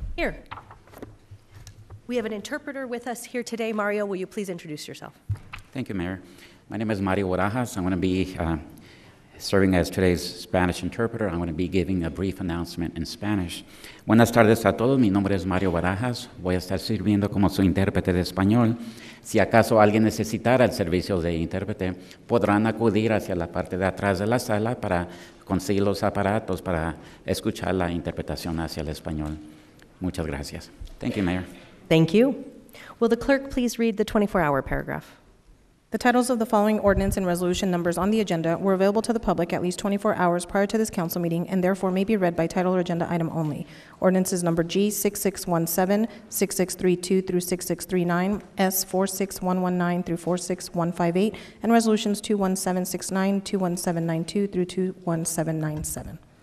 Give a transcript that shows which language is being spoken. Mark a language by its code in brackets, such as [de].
[en] Here. We have an interpreter with us here today. Mario, will you please introduce yourself? Thank you, Mayor. My name is Mario Barajas. I'm going to be serving as today's Spanish interpreter. I'm going to be giving a brief announcement in Spanish. [es] Buenas tardes a todos. Mi nombre es Mario Barajas. Voy a estar sirviendo como su intérprete de español. Si acaso alguien necesitara el servicio de intérprete, podrán acudir hacia la parte de atrás de la sala para conseguir los aparatos para escuchar la interpretación hacia el español. Muchas gracias. [en] Thank you, Mayor. Thank you. Will the clerk please read the 24-hour paragraph? The titles of the following ordinance and resolution numbers on the agenda were available to the public at least 24 hours prior to this council meeting and therefore may be read by title or agenda item only. Ordinances number G6617, 6632 through 6639, S46119 through 46158, and resolutions 21769, 21792 through 21797.